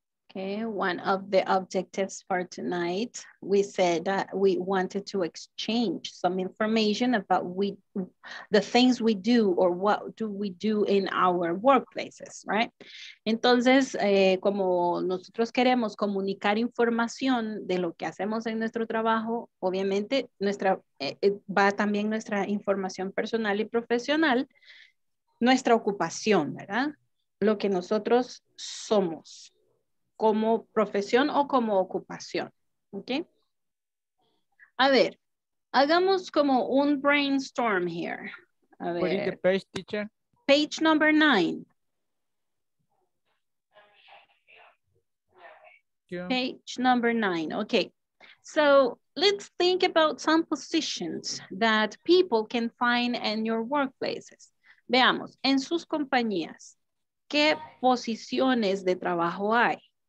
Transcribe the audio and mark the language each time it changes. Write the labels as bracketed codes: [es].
[en] Okay, one of the objectives for tonight, we said that we wanted to exchange some information about the things we do or what do we do in our workplaces, right? [es] Entonces, como nosotros queremos comunicar información de lo que hacemos en nuestro trabajo, obviamente nuestra, va también nuestra información personal y profesional, nuestra ocupación, ¿verdad? Lo que nosotros somos. Como profesión o como ocupación, ¿ok? A ver, hagamos como un brainstorm here. A ver. [en] What is the page, teacher? Page number 9. Page number 9, ok. So, let's think about some positions that people can find in your workplaces. [es] Veamos, en sus compañías, ¿qué posiciones de trabajo hay?